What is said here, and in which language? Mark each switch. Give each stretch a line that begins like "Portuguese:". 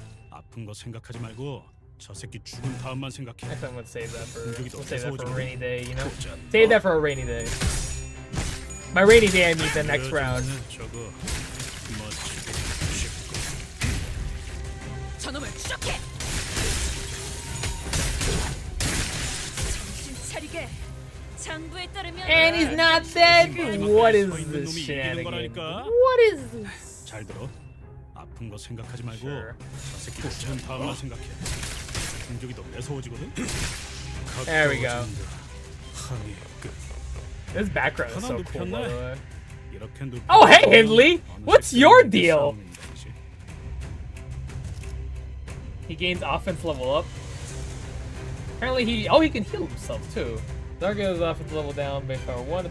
Korean: 아픈 거 생각하지 말고 저 새끼 죽은 다음만 생각해.
English: I think we'll save that for a rainy day, you know? Save that for a rainy day. My rainy day, I mean the next round.
Korean: 저거 멋지게 죽고. 저놈을 추적해! 정신 차리게!
English: And he's not dead. What is this shenanigan? What is this?
Korean: 잘 들어. 아픈 거 생각하지 말고 저 새끼 죽은 다음만 생각해. 공격이 더 매서워지거든.
English: There we go.
Korean: 세상이 끝.
English: This background is so cool, by the way. Oh, hey, Hindley! What's your deal? He gains offense level up. Apparently he... Oh, he can heal himself, too. Target has offense level down, base power 1.